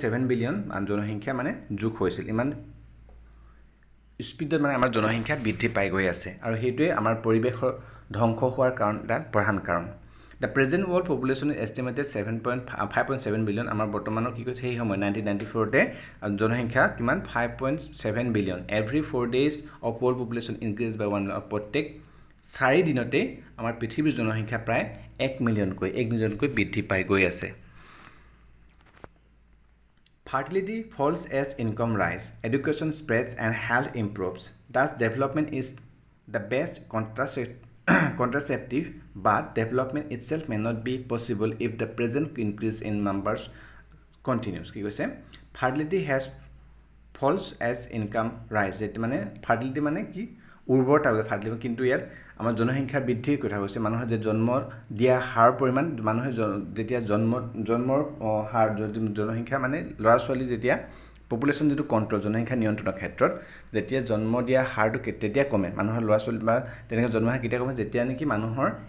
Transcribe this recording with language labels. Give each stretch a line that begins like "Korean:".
Assamese: Billion জনসংখ্যা মানে যোগ হৈছিল ইমান স্পীডত মানে আমাৰ জনসংখ্যা বৃদ্ধি পাই গৈ আছে আৰু সেইটোৱে আমাৰ পৰিৱেশৰ ধ্বংস হোৱাৰ কাৰণ এটা প্ৰধান কাৰণ
English: the present world population estimated 5.7 billion
Assamese: আমাৰ বৰ্তমানৰ কি কৈছে সেই সময় 1994তে জনসংখ্যা কিমান 5.7 billion
English: every 4 days of world population increase by 1 million
Assamese: প্ৰত্যেক 4 দিনতে আমাৰ পৃথিৱীৰ জনসংখ্যা প্ৰায় এক মিলিয়নকৈ বৃদ্ধি পাই গৈ আছে
English: Fertility falls as income rises, education spreads and health improves. Thus, development is the best contraceptive, but development itself may not be possible if the present increase in numbers continues. Okay, same. Fertility has falls as income rises. It means fertility means
Assamese: ki উৰ্বৰতা হৈছে fertility কিন্তু ইয়াত আমাৰ জনসংখ্যাৰ বৃদ্ধিৰ কথা কৈছে মানুহে যে জন্ম দিয়া হাৰ পৰিমাণ মানুহে যেতিয়া জন্মৰ হাৰ যদি জনসংখ্যা মানে ল'ৰা ছোৱালী যেতিয়া পপুলেশ্যন যিটো কণ্ট্ৰল জনসংখ্যা নিয়ন্ত্ৰণৰ ক্ষেত্ৰত যেতিয়া জন্ম দিয়া হাৰটো তেতিয়া কমে মানুহৰ ল'ৰা ছোৱালী বা তেনেকৈ জন্ম হাৰ কেতিয়া কমে যেতিয়া নেকি মানুহৰ